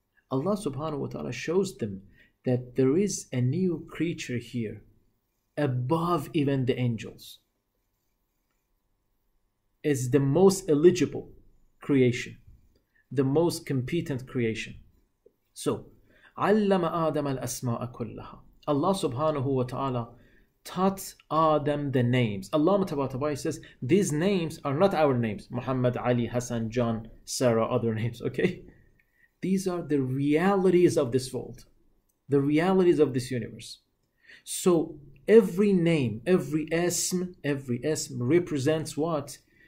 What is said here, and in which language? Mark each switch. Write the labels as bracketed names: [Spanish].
[English] Allah subhanahu wa ta'ala shows them that there is a new creature here above even the angels. It's the most eligible creation, the most competent creation. [Arabic] So, عَلَّمَ آدَمَ الْأَسْمَاءَ كُلَّهَا. [English] Allah subhanahu wa ta'ala taught Adam the names. Allah Tabatabai says, these names are not our names. Muhammad, Ali, Hassan, John, Sarah, other names, okay? These are the realities of this world, the realities of this universe. So every name, every ism represents what?